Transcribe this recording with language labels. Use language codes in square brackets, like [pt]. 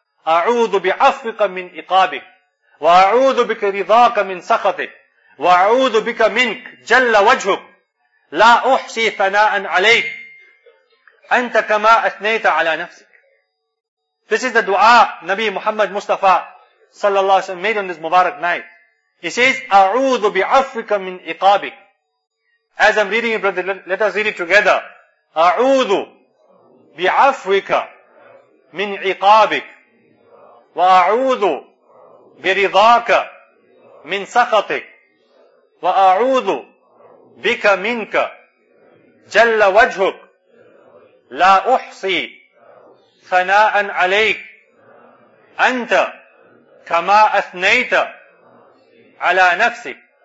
[ar] أَعُوذُ بِعَفْوِكَ مِنْ إِقَابِكَ وَأَعُوذُ بِكَ رِضَاكَ مِنْ سَخَطِكَ وَأَعُوذُ بِكَ مِنْكَ جَلَّ وَجْهُكَ لَا أُحْصِي ثَنَاءً عَلَيْكَ أَنْتَ كَمَا أَثْنَيْتَ عَلَى نَفْسِكَ. [en] This is the dua Nabi Muhammad Mustafa sallallahu alaihi wasallam made on this Mubarak night. He says, [ar] أَعُوذُ بِعَفْوِكَ مِنْ إِقَابِكَ. [en] As I'm reading it, brother, let us read it together. [ar] أَعُوذُ بِعَفْوِكَ مِنْ إِقَابِكَ وَأَعُوذُ بِرِضَاكَ مِنْ سَخَطِكَ وَأَعُوذُ بِكَ مِنْكَ جَلَّ وَجْهُكَ لَا أُحْصِي ثَنَاءً عَلَيْكَ أَنْتَ كَمَا أَثْنَيْتَ عَلَى نَفْسِكَ.